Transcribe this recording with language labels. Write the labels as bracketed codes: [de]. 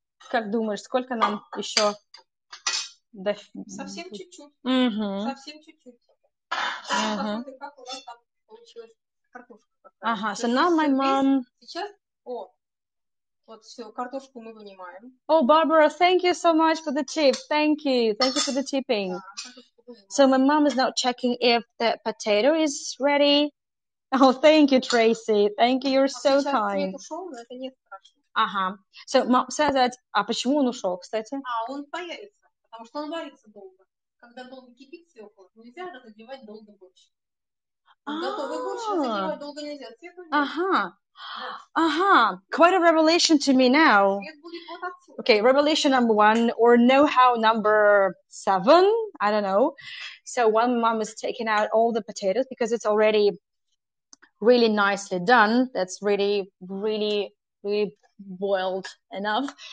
[ru] Как думаешь, сколько нам еще? Совсем чуть-чуть. Совсем чуть-чуть. Посмотрим, как у вас там получилась картошка. [en] Ага, so now my mom... [ru] Сейчас, о, вот все, картошку мы вынимаем. [en] Oh, Barbara, thank you so much for the tip. Thank you. Thank you for the tipping. So my mom is now checking if the potato is ready. Oh, thank you, Tracy. Thank you. You're so kind. Ага. So mom says that... [ru] А почему он ушел, кстати? А, он появится, потому что он варится долго. Когда долго кипит свекла, нельзя разогревать долго больше. Готовый борщ разогревать долго нельзя. Цвет уйдет. [en] Ага. Aha, quite a revelation to me now. Okay, revelation number one, or know-how number seven, I don't know. So one mom is taking out all the potatoes because it's already really nicely done. That's really, really, really boiled enough.